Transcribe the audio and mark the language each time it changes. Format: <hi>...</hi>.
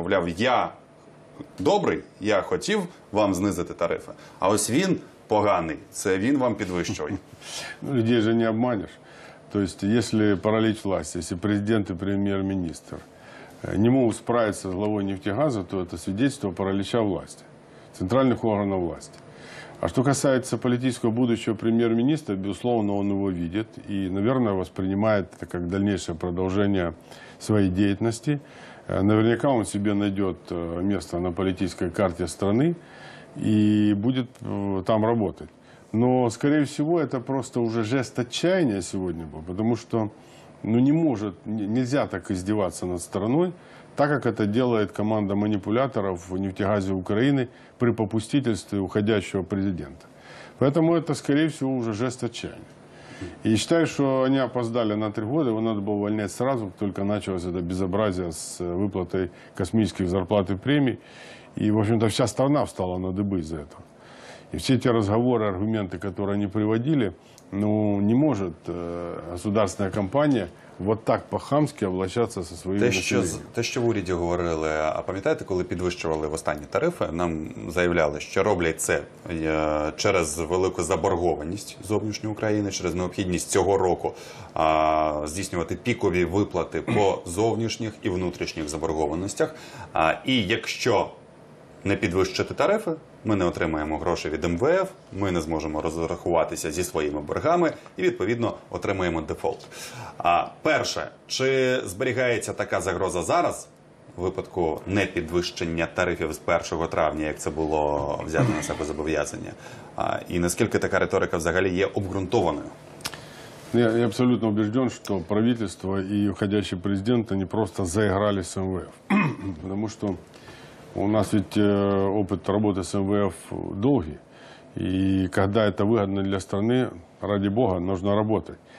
<uk>Мовляв, я добрий, я хотів вам знизити тарифи, а ось він поганий, це він вам підвищує. Людей же не обманеш. Тобто, якщо параліч власті, якщо президент і прем'єр-міністр не можуть справитися з головою «Нефтегаза», то це свідчить параліча власті, центральних органів власті.</uk> <ru>А что касается политического будущего премьер-министра, безусловно, он его видит и, наверное, воспринимает это как дальнейшее продолжение своей деятельности. Наверняка он себе найдет место на политической карте страны и будет там работать. Но, скорее всего, это просто уже жест отчаяния сегодня был, потому что ну, не может, нельзя так издеваться над страной, так как это делает команда манипуляторов в «Нефтегазе Украины» при попустительстве уходящего президента. Поэтому это, скорее всего, уже жест отчаяния. И считаю, что они опоздали на 3 года, его надо было увольнять сразу, только началось это безобразие с выплатой космических зарплат и премий. И, в общем-то, вся страна встала на дыбы из-за этого. И все эти разговоры, аргументы, которые они приводили, ну, не может государственная компания вот так по-хамски облачаться со своими населениями.</ru> <uk>Те, що в уряді говорили, а пам'ятаєте, коли підвищували в останні тарифи, нам заявляли, що роблять це через велику заборгованість зовнішньої України, через необхідність цього року здійснювати пікові виплати по зовнішніх і внутрішніх заборгованостях. І якщо не підвищити тарифи, ми не отримаємо гроші від МВФ, ми не зможемо розрахуватися зі своїми боргами і, відповідно, отримаємо дефолт. Перше, чи зберігається така загроза зараз, в випадку непідвищення тарифів з 1 травня, як це було взято на себе зобов'язання? І наскільки така риторика взагалі є обґрунтованою?</uk> <ru>Я абсолютно убежден, что правительство и уходящий президент, они просто заиграли с МВФ. Потому что у нас ведь опыт работы с МВФ долгий. И когда это выгодно для страны, ради бога, нужно работать.</ru>